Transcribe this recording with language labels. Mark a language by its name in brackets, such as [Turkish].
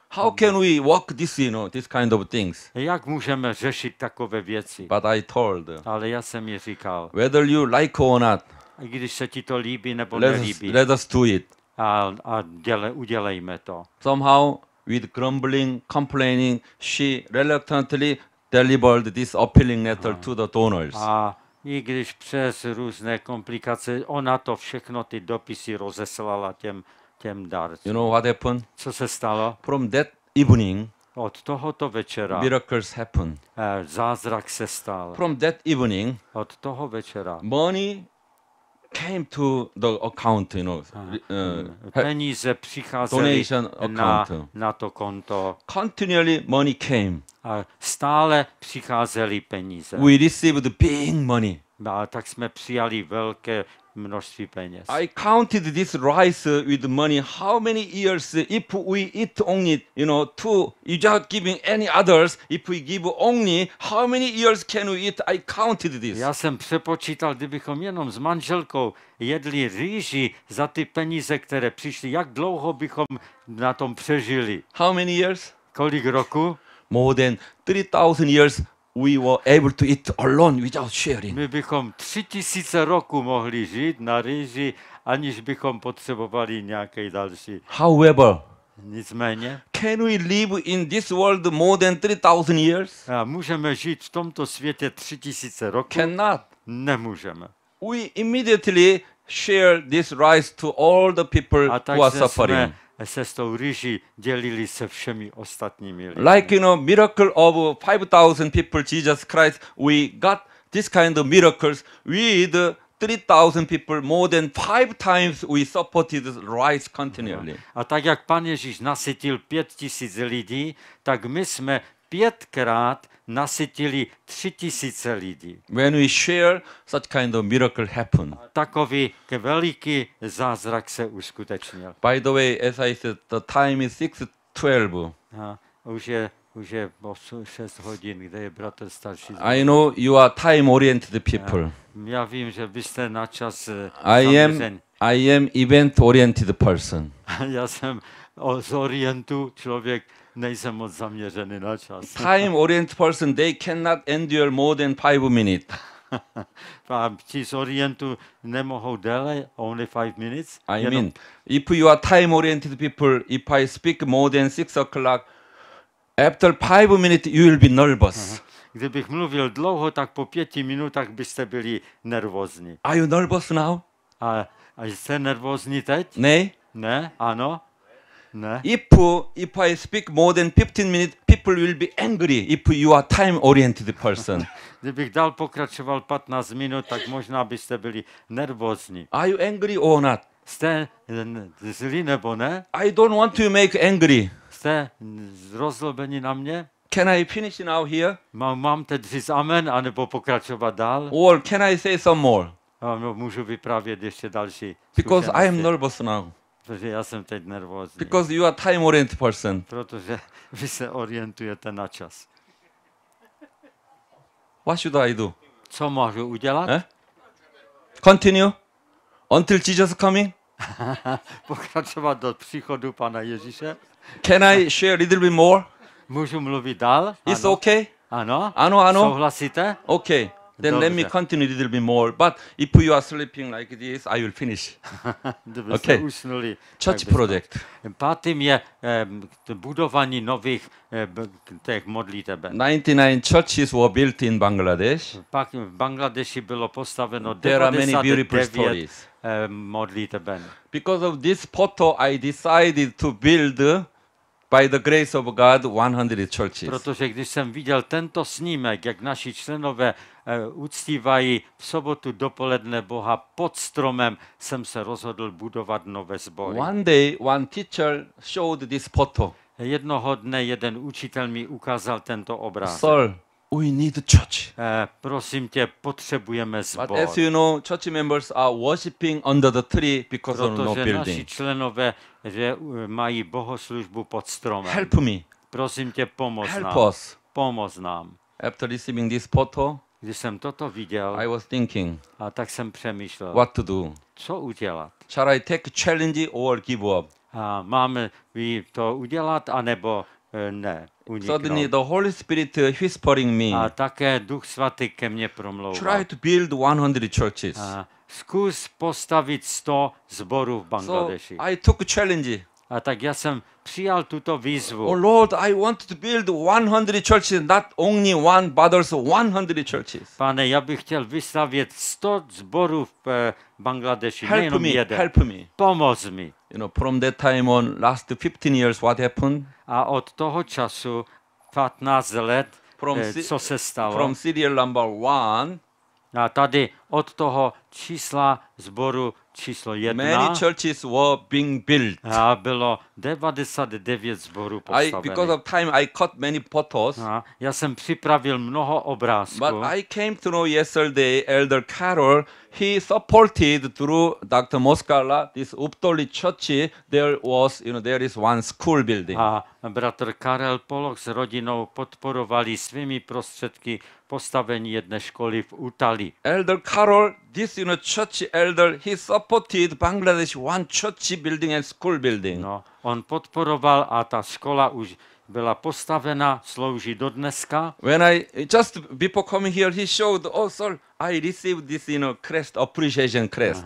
[English] How can we walk this, you know, this kind of things? [Czech] Jak můžeme řešit takové věci? [English] But I told. [Czech] Ale já jsem jí říkal. [English] Whether you like or not. [Czech] A když se ti to líbí nebo nelíbí. [English] Let us do it. [Czech] A udělejme to. [English] Somehow with grumbling, complaining, she reluctantly delivered this appealing letter to the donors. [Czech] A i když přes různé komplikace, ona to všechno ty dopisy rozeslala těm dárcům. [English] You know what happened? [Czech] Co se stalo? [English] From that evening, [Czech] od tohoto večera, [English] miracles happened. [Czech] Zázrak se stal. [English] From that evening, [Czech] od toho večera, [English] money came to the account, you know. [Czech] Peníze přicházely na to konto. [English] Continually money came. [Czech] A stále přicházely peníze. [English] We received big money. [Czech] A tak jsme přijali velké množství peněz. [English] I counted this rice with money. How many years if we eat only, you know, two, without giving any others, if we give only, how many years can we eat? I counted this. [Czech] Já jsem přepočítal, kdybychom jenom s manželkou jedli rýži za ty peníze, které přišly, jak dlouho bychom na tom přežili. [English] How many years? [Czech] Kolik roku? [English] More than 3,000 years we were able to eat alone without sharing. [Czech] My bychom 3000 roku mohli žít na rýži, aniž bychom potřebovali nějaký další. [English] However, [Czech] nicméně, [English] can we live in this world more than 3,000 years? [Czech] A můžeme žít v tomto světě 3000 roku? [English] Cannot. [Czech] Nemůžeme. [English] We immediately share this rice to all the people who are suffering. [Czech] Se s tou rýží dělili se všemi ostatními lidmi. [English] Like, you know, miracle of 5,000 people, Jesus Christ, we got this kind of miracles with 3,000 people, more than 5 times we supported rice continually. [Czech] A tak jak Pan Ježíš nasytil 5,000 lidí, tak my jsme pětkrát nasytili 3,000 lidí. [English] When we share, such kind of miracle happened. [Czech] Takový veliký zázrak se uskutečnil. [English] By the way, as I said, the time is 6:12. [Czech] Už je 6 hodin, kde je bratr starší. [English] I know you are time-oriented people. [Czech] Já vím, že vy jste na čas zaměřený. [English] I am event-oriented person. [Czech] Já jsem z orientu člověk, nejsem moc zaměřený na čas. [English] Time oriented person, they cannot endure more than 5 minutes. [Czech] Ti z orientu nemohou déle, [English] only 5 minutes. I mean, if you are time oriented people, if I speak more than 6 o'clock, after 5 minutes you will be nervous. [Czech] Kdybych mluvil dlouho, tak po 5 minutách byste byli nervózní. [English] Are you nervous now? [Czech] A jste nervózní teď? Ne. Ne, ano. Ne? [English] If I speak more than 15 minutes, people will be angry if you are time-oriented person. [Czech] Kdybych dál pokračoval 15 minut, tak možná byste byli nervózní. [English] Are you angry or not? [Czech] Jste zlí nebo ne? [English] I don't want to make angry. [Czech] Jste rozlobení na mě? [English] Can I finish now here? [Czech] Mám teď říct amen, anebo pokračovat dál? [English] Or can I say some more? [Czech] Můžu vyprávět ještě další. [English] Because [Czech] zkušenosti. [English] I am nervous now. [Czech] Protože já jsem teď nervózní. [English] Because you are time oriented person. [Czech] Protože vy se orientujete na čas. [English] What should I do? [Czech] Co můžu udělat? Eh? [English] Continue until Jesus coming? [Czech] Pokračovat do příchodu Pana Ježíše? [English] Can I share a little bit more? [Czech] Můžu mluvit dál? [English] Is okay? [Czech] Ano. Ano, ano. Souhlasíte? [English] Okay. Then let me continue a little bit more. But if you are sleeping like this, I will finish. [Czech] Okay. Usnuli, [English] church project. [Czech] Pátým je budování nových těch modliteben. [English] 99 churches were built in Bangladesh. [Czech] Pak v Bangladeši bylo postaveno 99 modliteben. [English] Because of this photo, I decided to build, by the grace of God, 100 churches. [Czech] Protože když jsem viděl tento snímek, jak naši členové uctívají v sobotu dopoledne Boha pod stromem, jsem se rozhodl budovat nové sbory. [English] One day, one teacher showed this photo. [Czech] Jednoho dne jeden učitel mi ukázal tento obraz. [English] Sir, we need church. [Czech] Prosím tě, potřebujeme sbor. [English] But as you know, church members are worshiping under the tree because of no building. [Czech] Protože naši členové mají bohoslužbu pod stromem. [English] Help me. [Czech] Prosím tě, pomoz [English] help [Czech] nám. [English] Help us. [Czech] Pomoz nám. [English] After receiving this photo, [Czech] když jsem toto viděl, [English] I was thinking, [Czech] a tak jsem přemýšlel, [English] what to do? [Czech] Co udělat? [English] Shall I take challenge or give up? [Czech] A mám to udělat, anebo ne, uniknout. [English] Suddenly the Holy Spirit whispering me. [Czech] A také Duch Svatý ke mně promlouval. [English] Try to build 100 churches. A [Czech] zkus postavit 100 zborů v Bangladeši. [English] So I took challenge. [Czech] A tak já jsem přijal tuto výzvu. [English] Oh Lord, I want to build 100 churches, not only one, but also 100 churches. [Czech] Pane, já bych chtěl vystavět 100 zborů v Bangladeši, [English] help [Czech] nejenom [English] me, [Czech] jeden. [English] Help me. [Czech] Pomoz mi. [English] You know, from that time on, last 15 years, what happened? [Czech] A od toho času, 15 let, co se stalo? [English] From serial number one. [Czech] A tady od toho čísla zboru číslo 1. [English] Many churches were being built. [Czech] A bylo 99 zborů postavených. [English] Because of time, I cut many photos. [Czech] A já jsem připravil mnoho obrázků. [English] But I came to know yesterday, Elder Carol, he supported through Dr. Moskala this Uptoli church. There was, you know, there is one school building. [Czech] A bratr Karel Polok s rodinou podporovali svými prostředky postavení jedné školy v Utali. [English] Elder Carol, this you know, church elder, he supported Bangladesh one church building and school building. [Czech] No, on podporoval a ta škola už byla postavena, slouží do dneska. [English] When I just before coming here, he showed, oh sir, I received this you know, crest, appreciation crest.